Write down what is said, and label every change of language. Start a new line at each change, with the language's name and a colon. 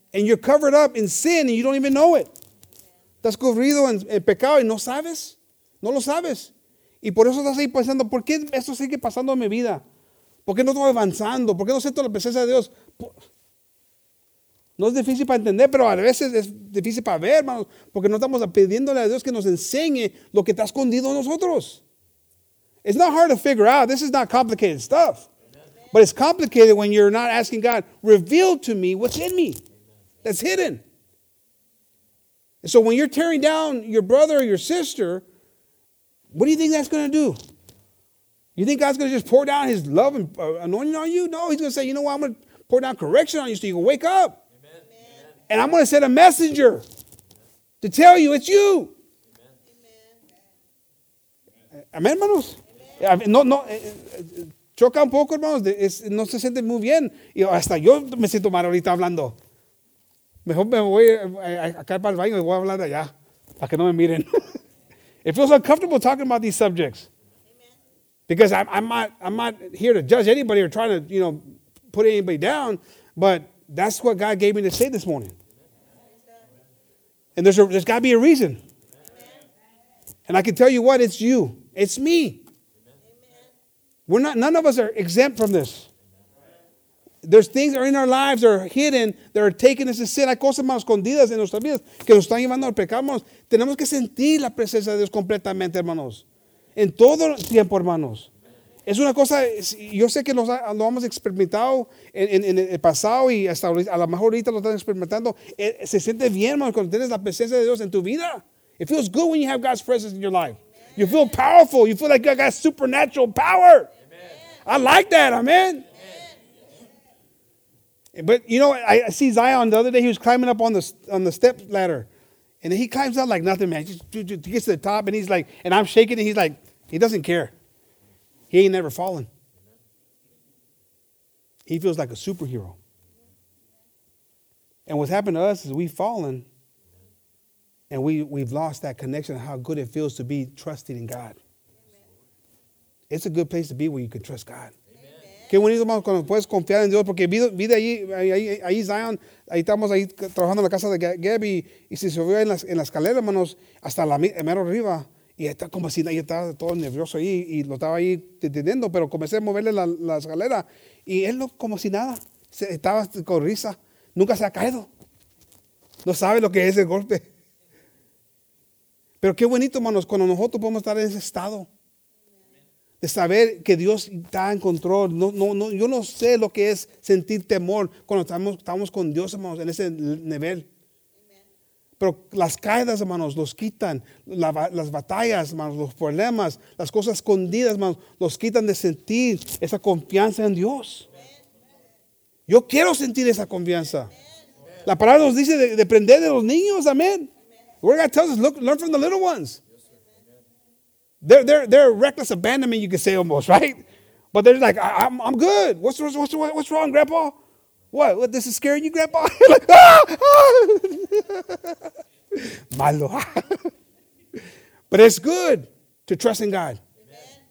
English: And you're covered up in sin and you don't even know it.
Spanish: Estás cubrido en pecado y no sabes. No lo sabes. Y por eso estás ahí pensando, ¿por qué esto sigue pasando en mi vida? ¿Por qué no estoy avanzando? ¿Por qué no siento la presencia de Dios? No es difícil para entender, pero a veces es difícil para ver, hermanos, porque no estamos pidiéndole a Dios que nos enseñe lo que está escondido en nosotros.
English: It's not hard to figure out. This is not complicated stuff. But it's complicated when you're not asking God, reveal to me what's in me that's hidden. And so when you're tearing down your brother or your sister, what do you think that's going to do? You think God's going to just pour down his love and anointing on you? No, he's going to say, you know what, I'm going to pour down correction on you so you can wake up. Amen. And I'm going to send a messenger to tell you it's you.
Spanish: Amen, hermanos? Amen. No. Choca un poco, hermanos, no se siente muy bien. Y hasta yo me siento mal ahorita hablando. Mejor me voy acá para el baño y voy a hablar allá, para que no me miren.
English: It feels uncomfortable talking about these subjects. Because I'm not here to judge anybody or trying to, you know, put anybody down, but that's what God gave me to say this morning. And there's got to be a reason. And I can tell you what, it's you. It's me. We're not. None of us are exempt from this. There's things that are in our lives that are hidden, that are taking us to sin.
Spanish: Hay cosas más escondidas en nuestras vidas que nos están llevando al pecado, hermanos. Tenemos que sentir la presencia de Dios completamente, hermanos. En todo tiempo, hermanos. Es una cosa, yo sé que lo hemos experimentado en el pasado y hasta a lo mejor ahorita lo están experimentando. Se siente bien, hermanos, cuando tienes la presencia de Dios en tu vida.
English: It feels good when you have God's presence in your life. You feel powerful. You feel like you got supernatural power. Amen. I like that. Amen. Amen. But, you know, I see Zion the other day. He was climbing up on the step ladder. And he climbs up like nothing, man. He just gets to the top and he's like, and I'm shaking. And he's like, he doesn't care. He ain't never fallen. He feels like a superhero. And what's happened to us is we've fallen. And we've lost that connection of how good it feels to be trusted in God. Amen. It's a good place to be where you can trust God.
Spanish: Qué bonito, hermano, cuando puedes confiar en Dios. Porque vi de ahí Zion, ahí estamos ahí trabajando en la casa de Gab y se subió en la escalera, hermanos, hasta la mero arriba. Y está como así, ahí estaba todo nervioso ahí y lo estaba ahí deteniendo, pero comencé a moverle la escalera. Y él no, como si nada, estaba con risa. Nunca se ha caído. No sabe lo que es el golpe. Pero qué bonito, hermanos, cuando nosotros podemos estar en ese estado de saber que Dios está en control. No, yo no sé lo que es sentir temor cuando estamos con Dios, hermanos, en ese nivel. Pero las caídas, hermanos, los quitan. Las batallas, hermanos, los problemas, las cosas escondidas, hermanos, los quitan de sentir esa confianza en Dios. Yo quiero sentir esa confianza. La palabra nos dice de aprender de los niños, amén.
English: The word of God tells us, learn from the little ones. They're reckless abandonment, you could say almost, right? But they're like, I'm good. What's wrong, Grandpa? What, this is scaring you, Grandpa? Malo. But it's good to trust in God. Amen.